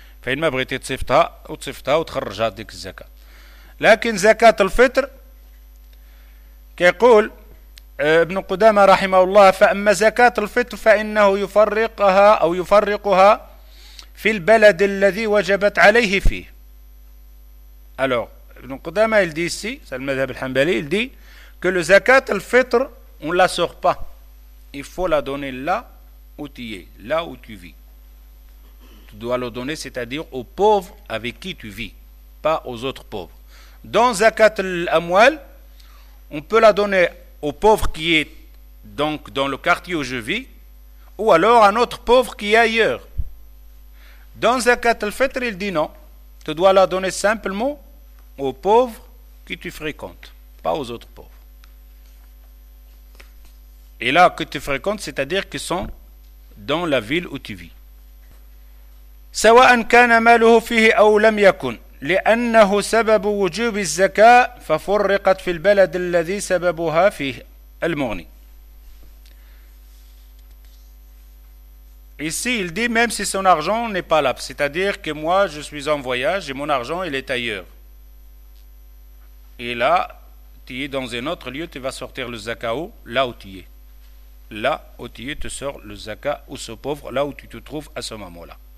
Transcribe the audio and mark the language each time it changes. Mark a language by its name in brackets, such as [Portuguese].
[Arabic] فين ما بغيتي تصيفطها وتصيفطها وتخرجها ديك الزكاه. لكن زكاه الفطر كيقول ابن قدامة رحمه الله: فأما زكاة الفطر فإنه يفرقها أو يفرقها في البلد الذي وجبت عليه فيه. [French] alors ابن قدامة il dit ici, c'est le madhhab al-hanbali, il dit que le zakat al-fitr on la sort pas, il faut la donner là où tu es, là où tu vis. Tu dois le donner, c'est-à-dire aux pauvres avec qui tu vis, pas aux autres pauvres. Dans zakat al-amwal, on peut la donner au pauvre qui est donc dans le quartier où je vis, ou alors un autre pauvre qui est ailleurs. Dans Zakat al-Fitr, il dit non, tu dois la donner simplement aux pauvres que tu fréquentes, pas aux autres pauvres. Et là, que tu fréquentes, c'est-à-dire qu'ils sont dans la ville où tu vis. [Arabic] Sawa'an kana maluhu fihi aw lam yakun. لأنه سبب وجوب الزكاة ففرقت في البلد الذي سببها فيه المغني. [French] Ici, il dit même si son argent n'est pas là, c'est-à-dire que moi, je suis en voyage et mon argent, il est ailleurs. Et là, tu es dans un autre lieu, tu vas sortir le zaka où? Là où tu es. Là où tu es, tu sors le zaka où ce pauvre, là où tu te trouves à ce moment-là.